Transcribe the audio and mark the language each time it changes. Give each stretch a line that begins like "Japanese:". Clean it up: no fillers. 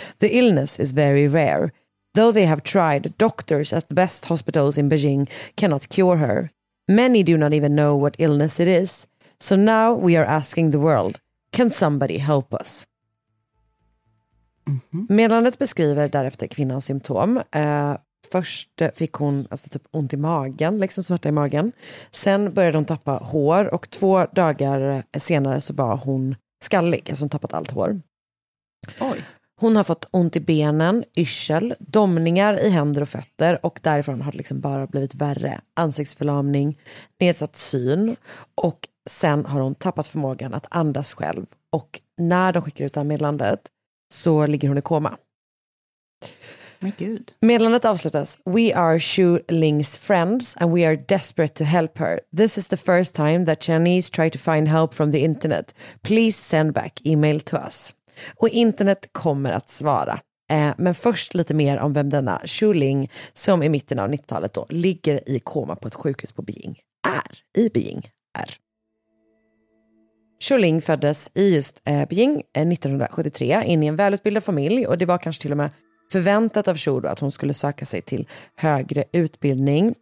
English: The illness is very rare. Though they have tried, doctors at the best hospitals in Beijing cannot cure her. Many do not even know what illness it is. So now we are asking the world, can somebody help us?
Swedish: Mm-hmm. Meddelandet beskriver därefter kvinnans symptom. Först fick hon alltså typ ont i magen, liksom smärta i magen. Sen började hon tappa hår och två dagar senare så var hon skallig, alltså hon tappat allt hår. Oj. Hon har fått ont i benen, yrsel, domningar i händer och fötter och därifrån har det liksom bara blivit värre. Ansiktsförlamning, nedsatt syn och sen har hon tappat förmågan att andas själv. Och när de skickar ut meddelandet så ligger hon i koma. Meddelandet avslutas.
English: We are Xu Ling's friends and we are desperate to help her. This is the first time that Chinese try to find help from the internet. Please send back email to us.
Swedish: Och internet kommer att svara. Men först lite mer om vem denna Xu Ling, som i mitten av 90-talet då, ligger i koma på ett sjukhus på Beijing, är. I Beijing är. Xu Ling föddes i just Beijing 1973 in i en välutbildad familj och det var kanske till och med förväntat av Shodo att hon skulle söka sig till högre utbildning.